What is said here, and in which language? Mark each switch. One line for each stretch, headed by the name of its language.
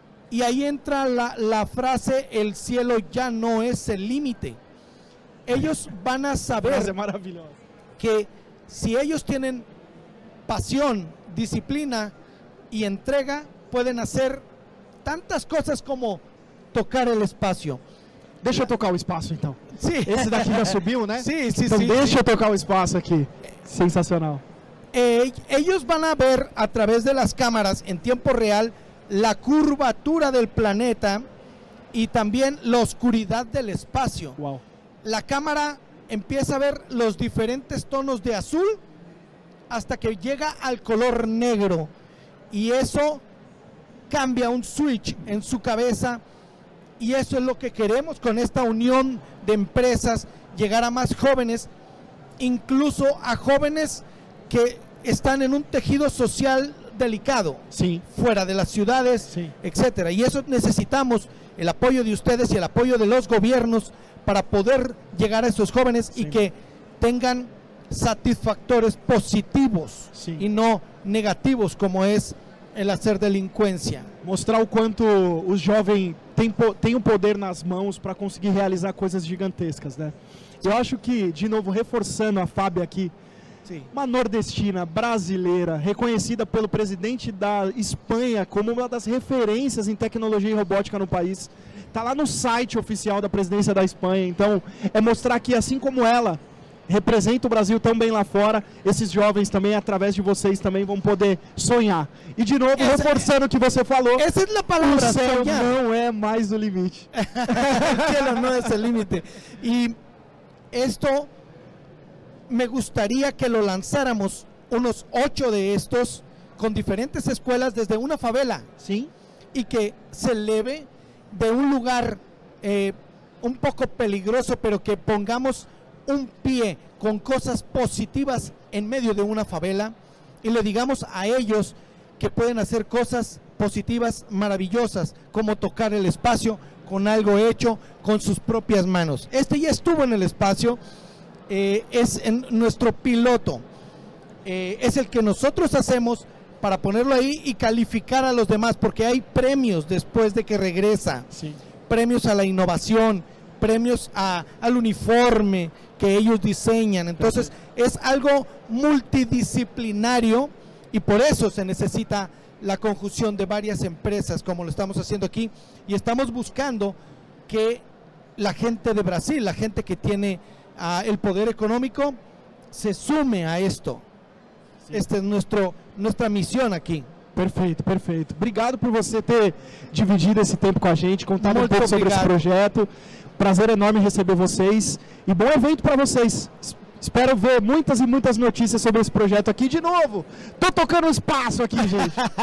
Spanish: Y ahí entra la frase, el cielo ya no es el límite. Ellos van a saber que si ellos tienen pasión, disciplina y entrega, pueden hacer tantas cosas como tocar el espacio.
Portuguese: Deixa eu tocar o espaço, então. Sim. Esse daqui já subiu, né? Sim, sim, então, sim. Então deixa eu tocar o espaço aqui. Sensacional. Eles vão ver, através das câmeras, em tempo real, a curvatura do planeta e também a oscuridade do espaço. Uau. A câmera
Spanish: empieza a ver
Portuguese: os diferentes tonos de azul
Spanish: hasta que
Portuguese: chega ao color negro. E isso cambia um switch em sua cabeça.
Spanish: Y eso es lo que queremos con esta unión de empresas, llegar a más jóvenes, incluso a jóvenes que están en un tejido social delicado, sí, fuera de las ciudades, sí, etcétera. Y eso necesitamos el apoyo de ustedes y el apoyo de los gobiernos para poder llegar a esos jóvenes, sí, y que tengan satisfactores positivos, sí, y no negativos como es el hacer delincuencia.
Portuguese: Mostrar o quanto o jovem tem um poder nas mãos para conseguir realizar coisas gigantescas, né? Eu acho que, de novo, reforçando a Fábia aqui, sim, uma nordestina brasileira, reconhecida pelo presidente da Espanha como uma das referências em tecnologia e robótica no país, está lá no site oficial da presidência da Espanha. Então, é mostrar que, assim como ela representa o Brasil tão bem lá fora, esses jovens também, através de vocês, também vão poder sonhar. E de novo, essa, reforçando o que você falou, essa é a palavra, o céu sonhar não é mais o limite. Ela não é o limite. E isto, me gostaria que
Spanish: lo lançáramos
Portuguese: uns 8
Spanish: de estos
Portuguese: com diferentes escolas, desde uma favela, sim, e que se leve de um lugar um pouco
Spanish: peligroso, pero que pongamos un pie con cosas positivas en medio de una favela y le digamos a ellos que pueden hacer cosas positivas maravillosas, como tocar el espacio con algo hecho con sus propias manos. Este ya estuvo en el espacio, es en nuestro piloto, es el que nosotros hacemos para ponerlo ahí y calificar a los demás, porque hay premios después de que regresa, sí, premios a la innovación, premios al uniforme que ellos diseñan. Entonces, es algo multidisciplinario y por eso se necesita la conjunción de varias empresas, como lo estamos haciendo aquí, y estamos buscando que la gente de Brasil, la gente que tiene el poder económico, se sume a esto. Sí. Esta es nuestra misión aquí.
Portuguese: Perfeito, perfeito. Obrigado por você ter dividido esse tempo com a gente, contar um pouco sobre esse projeto. Prazer enorme receber vocês e bom evento para vocês. Espero ver muitas e muitas notícias sobre esse projeto aqui de novo. Tô tocando espaço aqui, gente.